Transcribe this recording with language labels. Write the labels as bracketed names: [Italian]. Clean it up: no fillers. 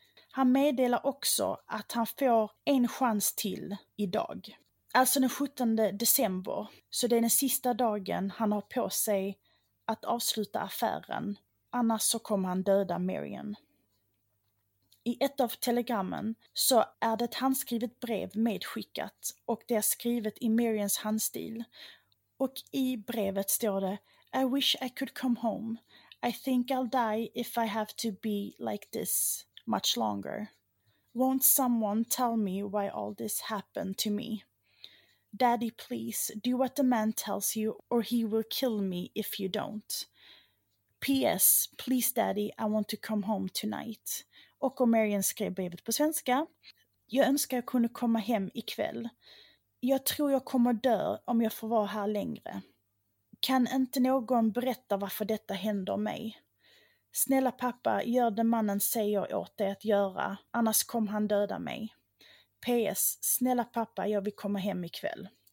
[Swedish] Han meddelar också att han får en chans till idag, alltså den 17 december, så det är den sista dagen han har på sig att avsluta affären. Annars så kommer han döda Marion. I ett av telegrammen så är det ett handskrivet brev medskickat och det är skrivet i Marions handstil. Och i brevet står det: [English] I wish I could come home. I think I'll die if I have to be like this much longer. Won't someone tell me why all this happened to me? Daddy, please do what the man tells you or he will kill me if you don't. P.S. Please daddy, I want to come home tonight. [Swedish] Och om Marianne skrev brevet på svenska. Jag önskar jag kunde komma hem ikväll. Jag tror jag kommer dö om jag får vara här längre. Kan inte någon berätta varför detta händer mig? Snälla pappa, gör det mannen säger åt dig att göra. Annars kommer han döda mig. P.S. Snälla pappa, jag vill komma hem ikväll.